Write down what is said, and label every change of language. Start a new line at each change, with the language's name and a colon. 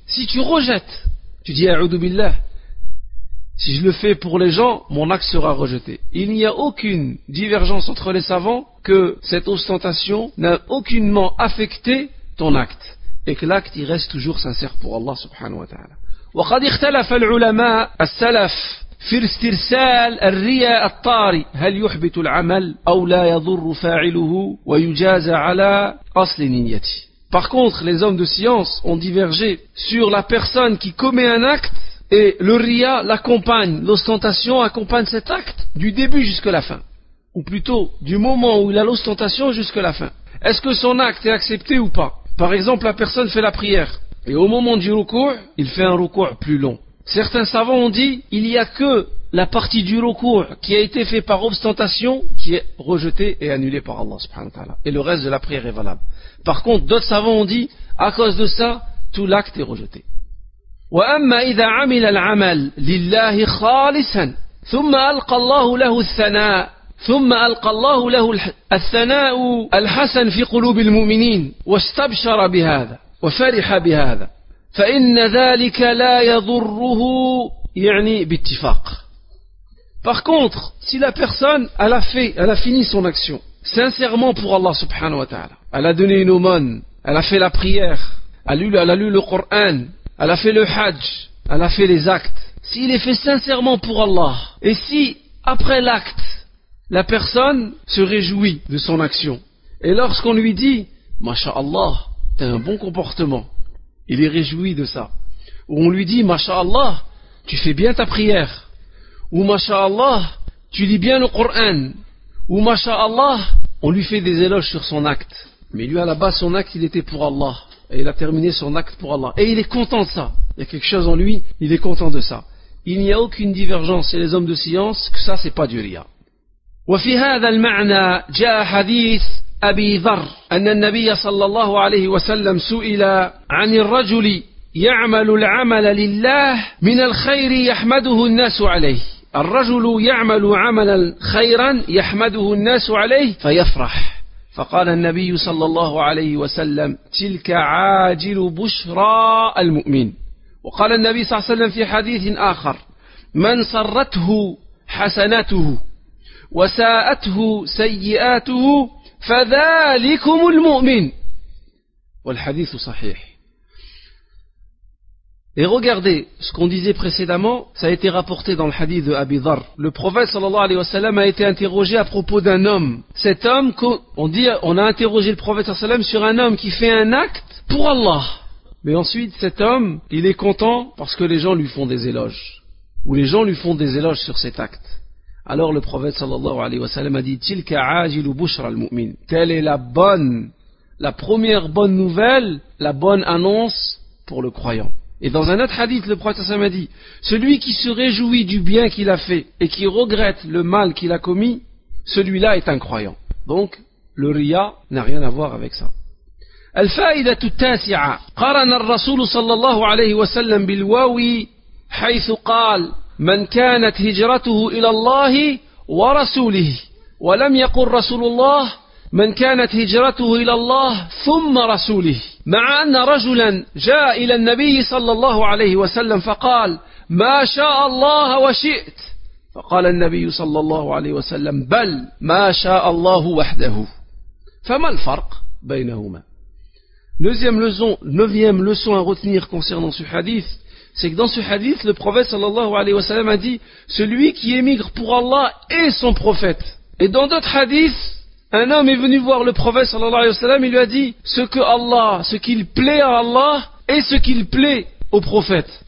French: Si tu rejettes, tu dis a'udhu billah, si je le fais pour les gens, mon acte sera rejeté. Il n'y a aucune divergence entre les savants que cette ostentation n'a aucunement affecté ton acte. Et que l'acte il reste toujours sincère pour Allah subhanahu wa ta'ala.
Arabic: وقد اختلف العلماء السلف في استرسال الرياء الطاري هل يحبط العمل أو لا يضر فاعله ويجاز على أصل نيته.
French: Par contre, les hommes de science ont divergé sur la personne qui commet un acte et le riya l'accompagne, l'ostentation accompagne cet acte du début jusqu'à la fin. Ou plutôt, du moment où il a l'ostentation jusqu'à la fin. Est-ce que son acte est accepté ou pas ? Par exemple, la personne fait la prière, et au moment du ruku', il fait un ruku' plus long. Certains savants ont dit, il n'y a que la partie du ruku' qui a été faite par ostentation, qui est rejetée et annulée par Allah subhanahu wa ta'ala. Et le reste de la prière est valable. Par contre, d'autres savants ont dit, à cause de ça, tout l'acte est rejeté.
Arabic: وَأَمَّا إِذَا عَمِلَ الْعَمَلَ لِلَّهِ خَالِصًا ثُمَّ أَلْقَى اللَّهُ لَهُ الثَّنَاءَ ثم ألقى الله له الثناء الحسن في قلوب المؤمنين واستبشر بهذا وفرح بهذا فإن ذلك لا يضره يعني باتفاق.
French: Par contre, si la personne elle a fini son action sincèrement pour Allah subhanahu wa ta'ala, elle a donné une aumône, elle a fait la prière, elle a lu le Coran, elle a fait le Hajj, elle a fait les actes, s'il est fait sincèrement pour Allah, et si après l'acte la personne se réjouit de son action. Et lorsqu'on lui dit, Masha'Allah, t'as un bon comportement, il est réjoui de ça. Ou on lui dit, Masha'Allah, tu fais bien ta prière. Ou Masha'Allah, tu lis bien le Coran. Ou Masha'Allah, on lui fait des éloges sur son acte. Mais lui, à la base, son acte, il était pour Allah. Et il a terminé son acte pour Allah. Et il est content de ça. Il y a quelque chose en lui, il est content de ça. Il n'y a aucune divergence chez les hommes de science que ça, c'est pas du ria.
Arabic: وفي هذا المعنى جاء حديث أبي ذر أن النبي صلى الله عليه وسلم سئل عن الرجل يعمل العمل لله من الخير يحمده الناس عليه. الرجل يعمل عملا خيرا يحمده الناس عليه فيفرح. فقال النبي صلى الله عليه وسلم تلك عاجل بشرى المؤمن. وقال النبي صلى الله عليه وسلم في حديث آخر من سرته حسناته وساءته سيئاته فذلكم المؤمن. والحديث صحيح.
French: Et regardez ce qu'on disait précédemment, ça a été rapporté dans le hadith de Abi Dharr. Le prophète sallallahu alayhi wa sallam a été interrogé à propos d'un homme. Cet homme, on a interrogé le prophète sallallahu alayhi wa sallam sur un homme qui fait un acte pour Allah. Mais ensuite, cet homme, il est content parce que les gens lui font des éloges. Ou les gens lui font des éloges sur cet acte. Alors le prophète sallallahu alayhi wa sallam a dit,
Arabic: Tilka ajilu bushra al-mu'min.
French: Telle est la première bonne nouvelle, la bonne annonce pour le croyant. Et dans un autre hadith, le prophète a dit, celui qui se réjouit du bien qu'il a fait et qui regrette le mal qu'il a commis, celui-là est un croyant. Donc, le riya n'a rien à voir avec ça.
Arabic: الفائدة التاسعة قرن الرسول صلى الله عليه وسلم بالواوي حيث قال من كانت هجرته إلى الله ورسوله ولم يقل رسول الله من كانت هجرته إلى الله ثم رسوله مع أن رجلا جاء إلى النبي صلى الله عليه وسلم فقال ما شاء الله وشئت فقال النبي صلى الله عليه وسلم بل ما شاء الله وحده فما الفرق بينهما.
French: Neuvième leçon à retenir concernant ce hadith, c'est que dans ce hadith, le prophète sallallahu alayhi wa sallam a dit « Celui qui émigre pour Allah est son prophète ». Et dans d'autres hadiths, un homme est venu voir le prophète sallallahu alayhi wa sallam, il lui a dit « ce qu'il plaît à Allah est ce qu'il plaît au prophète ».